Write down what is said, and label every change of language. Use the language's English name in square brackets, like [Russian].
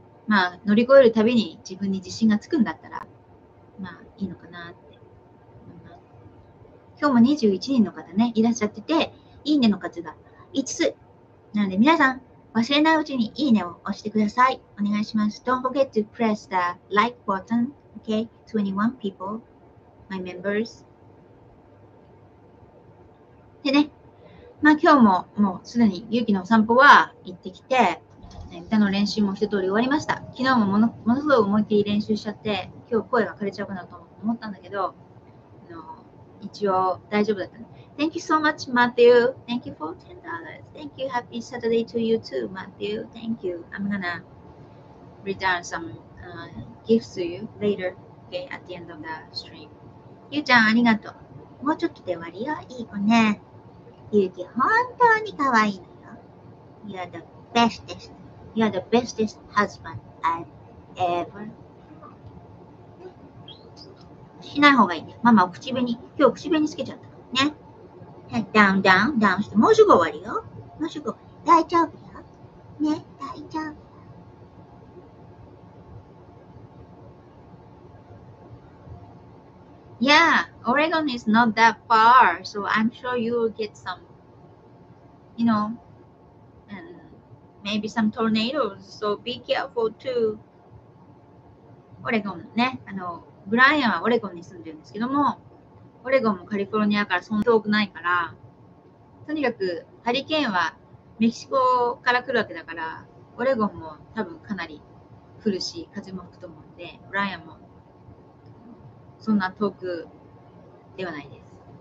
[Japanese] まあ、乗り越えるたびに自分に自信がつくんだったら、まあ、いいのかなって。今日も21人の方ね、いらっしゃってて、いいねの数が5つ。なので、皆さん、忘れないうちにいいねを押してください。お願いします。 [English] Don't forget to press the like button, okay? 21 people, my members. [Japanese] でね、まあ今日ももうすでに勇気のお散歩は行ってきて、歌の練習も一通り終わりました。昨日もものすごい思いっきり練習しちゃって、今日声が枯れちゃうかなと思ったんだけど、一応大丈夫だったね。 [English] Thank you so much, Matthew. Thank you for $10. Thank you. Happy Saturday to you too, Matthew. Thank you. I'm gonna return some、gifts to you later, okay, at the end of the stream. [Japanese] ゆうちゃん、ありがとう。もうちょっとで終わりよ。いい子ね。ゆうき、本当に可愛いのよ。 [English] You're the bestest. You're the bestest husband I've ever. [Japanese] しない方がいいね。ママ、口紅。今日、口紅つけちゃったからね。ダウン、ダウン、ダウンして、もうすぐ終わりよ。もうすぐ、大丈夫よ。ね、大丈夫。 [English] Yeah, Oregon is not that far, so I'm sure you'll get some, you know, and maybe some tornadoes, so be careful too. [Japanese] Oregon, ね、ブライアンはオレゴンに住んでるんですけども、オレゴンもカリフォルニアからそんな遠くないから、とにかくハリケーンはメキシコから来るわけだから、オレゴンも多分かなり降るし、風も吹くと思うんで、ブライアンもそんな遠くではないです。